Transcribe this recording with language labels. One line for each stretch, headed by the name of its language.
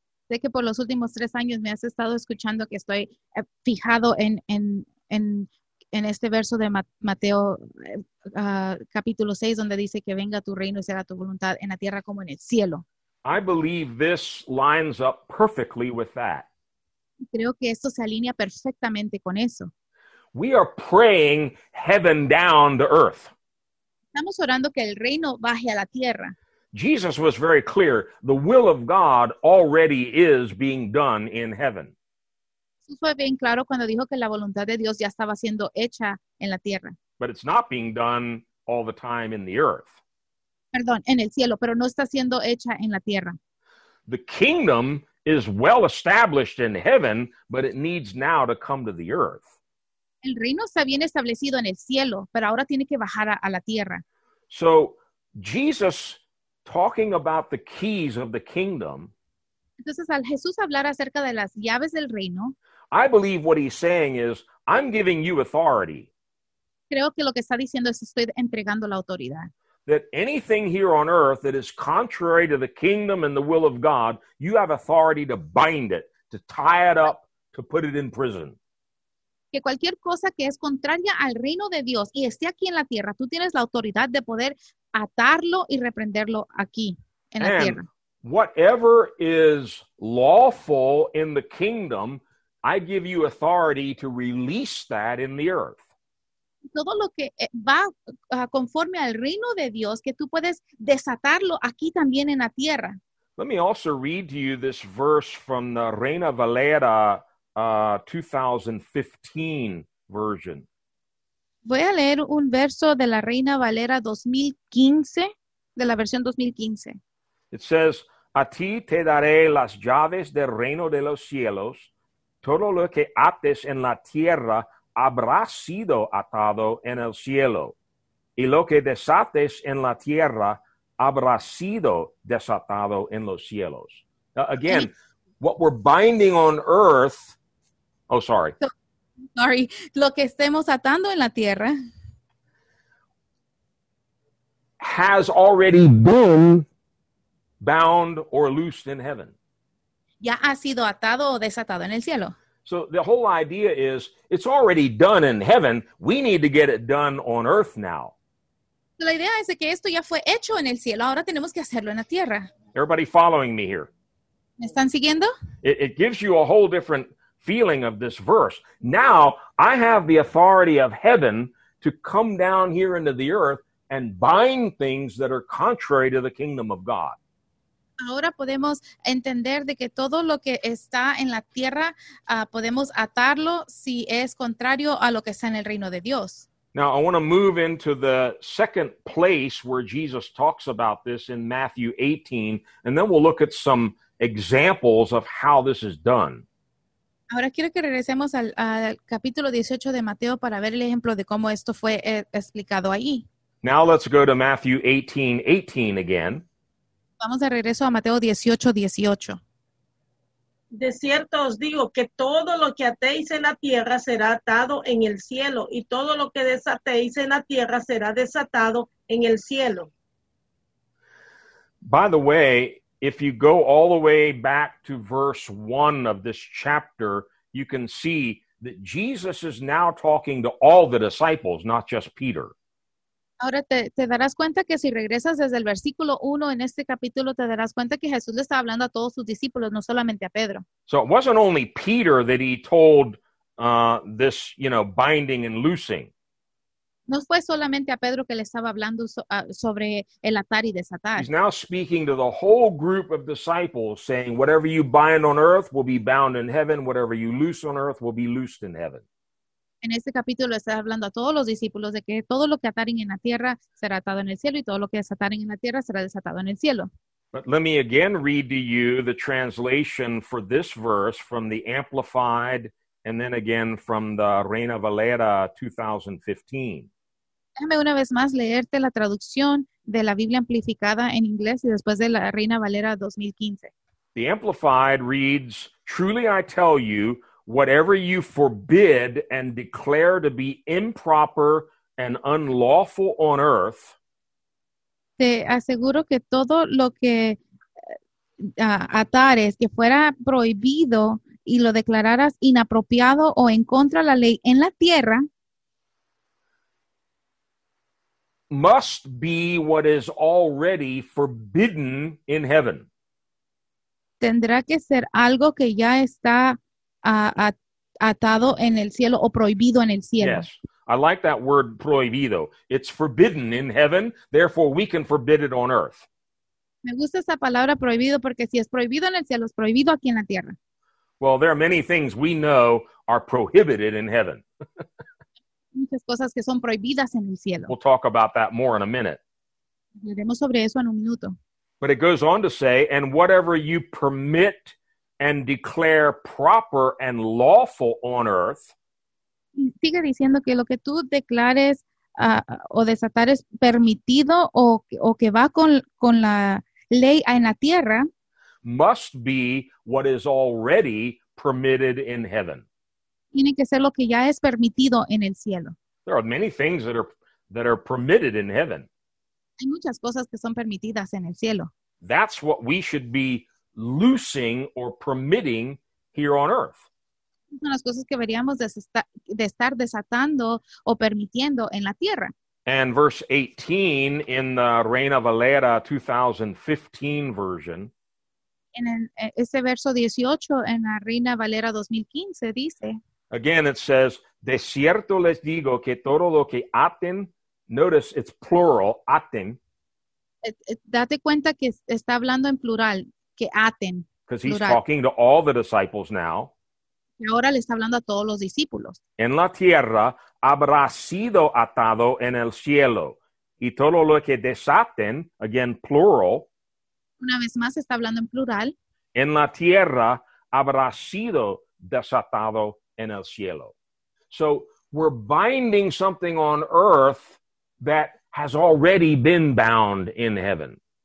Spanish: Sé que por los últimos tres años me has estado escuchando que estoy fijado en este verso de Mateo, capítulo 6, donde dice que venga tu reino y sea tu voluntad en la tierra como en el cielo.
English: I believe this lines up perfectly with that.
Spanish: Creo que esto se alinea perfectamente con eso.
English: We are praying heaven down to earth.
Spanish: Estamos orando que el reino baje a la tierra.
English: Jesus was very clear. The will of God already is being done in heaven.
Spanish: Jesús fue bien claro cuando dijo que la voluntad de Dios ya estaba siendo hecha en la tierra.
English: But it's not being done all the time in the earth.
Spanish: Perdón, en el cielo, pero no está siendo hecha en la tierra.
English: The kingdom is well established in heaven, but it needs now to come to the earth.
Spanish: El reino está bien establecido en el cielo, pero ahora tiene que bajar a la tierra.
English: So, Jesus talking about the keys of the kingdom.
Spanish: Entonces, al Jesús hablar acerca de las llaves del reino.
English: I believe what he's saying is, I'm giving you authority.
Spanish: Creo que lo que está diciendo es, estoy entregando la autoridad.
English: That anything here on earth that is contrary to the kingdom and the will of God, you have authority to bind it, to tie it up, to put it in prison.
Spanish: Que cualquier cosa que es contraria al reino de Dios y esté aquí en la tierra, tú tienes la autoridad de poder atarlo y reprenderlo aquí en la
English: and
Spanish: tierra.
English: Whatever is lawful in the kingdom, I give you authority to release that in the earth.
Spanish: Todo lo que va conforme al reino de Dios, que tú puedes desatarlo aquí también en la tierra.
English: Let me also read to you this verse from the Reina Valera 2015 version.
Spanish: Voy a leer un verso de la Reina Valera 2015, de la versión 2015.
English: It says,
Spanish: a ti te daré las llaves del reino de los cielos, todo lo que ates en la tierra habrá sido atado en el cielo, y lo que desates en la tierra habrá sido desatado en los cielos.
English: Again, what we're binding on earth,
Spanish: lo que estemos atando en la tierra
English: has already been bound or loosed in heaven.
Spanish: Ya ha sido atado o desatado en el cielo.
English: So the whole idea is, it's already done in heaven. We need to get it done on earth now.
Spanish: La idea es que esto ya fue hecho en el cielo. Ahora tenemos que hacerlo en la tierra.
English: Everybody following me here?
Spanish: ¿Me están siguiendo?
English: It gives you a whole different feeling of this verse. Now, I have the authority of heaven to come down here into the earth and bind things that are contrary to the kingdom of God.
Spanish: Ahora podemos entender de que todo lo que está en la tierra podemos atarlo si es contrario a lo que está en el reino de Dios.
English: Now I want to move into the second place where Jesus talks about this in Matthew 18, and then we'll look at some examples of how this is done.
Spanish: Ahora quiero que regresemos al capítulo 18 de Mateo para ver el ejemplo de cómo esto fue explicado ahí.
English: Now let's go to Matthew 18:18 again.
Spanish: Vamos de regreso a Mateo 18:18. De cierto os digo que todo lo que atéis en la tierra será atado en el cielo, y todo lo que desatéis en la tierra será desatado en el cielo.
English: By the way, if you go all the way back to verse 1 of this chapter, you can see that Jesus is now talking to all the disciples, not just Peter.
Spanish: Ahora te darás cuenta que si regresas desde el versículo 1 en este capítulo, te darás cuenta que Jesús le está hablando a todos sus discípulos, no solamente a Pedro.
English: So it wasn't only Peter that he told this, you know, binding and loosing.
Spanish: No fue solamente a Pedro que le estaba hablando sobre el atar y desatar.
English: He's now speaking to the whole group of disciples saying, whatever you bind on earth will be bound in heaven, whatever you loose on earth will be loosed in heaven.
Spanish: En este capítulo está hablando a todos los discípulos de que todo lo que ataren en la tierra será atado en el cielo y todo lo que desataren en la tierra será desatado en el cielo.
English: But let me again read to you the translation for this verse from the Amplified and then again from the Reina Valera 2015.
Spanish: Déjame una vez más leerte la traducción de la Biblia Amplificada en inglés y después de la Reina Valera 2015.
English: The Amplified reads, "Truly I tell you, whatever you forbid and declare to be improper and unlawful on earth,
Spanish: te aseguro que todo lo que atares, que fuera prohibido y lo declararas inapropiado o en contra de la ley en la tierra,
English: must be what is already forbidden in heaven.
Spanish: Tendrá que ser algo que ya está atado en el cielo o prohibido en el cielo.
English: Yes, I like that word prohibido. It's forbidden in heaven, therefore we can forbid it on earth.
Spanish: Me gusta esa palabra prohibido porque si es prohibido en el cielo, es prohibido aquí en la tierra.
English: Well, there are many things we know are prohibited in heaven.
Spanish: Muchas cosas que son prohibidas en el cielo.
English: We'll talk about that more in a minute.
Spanish: Hablaremos sobre eso en un minuto.
English: But it goes on to say, and whatever you permit and declare proper and lawful on earth.
Spanish: Sigue diciendo que lo que tú declares o desatares permitido o que va con la ley en la tierra.
English: Must be what is already permitted in heaven.
Spanish: Tiene que ser lo que ya es permitido en el cielo.
English: There are many things that are permitted in heaven.
Spanish: Hay muchas cosas que son permitidas en el cielo.
English: That's what we should be loosing or permitting here on earth.
Spanish: Son las cosas que deberíamos de estar desatando o permitiendo en la tierra.
English: And verse 18 in the Reina Valera 2015 version.
Spanish: En ese verso 18 en la Reina Valera 2015 dice.
English: Again, it says,
Spanish: de cierto les digo que todo lo que aten,
English: notice it's plural,
Spanish: aten. Date cuenta que está hablando en plural, que aten.
English: Because he's talking to all the disciples now.
Spanish: Y ahora le está hablando a todos los discípulos. En la tierra habrá sido atado en el cielo. Y todo lo que desaten,
English: again, plural.
Spanish: Una vez más está hablando en plural. En la tierra habrá sido desatado en el cielo.
English: So we're binding something on earth that has already been bound in heaven.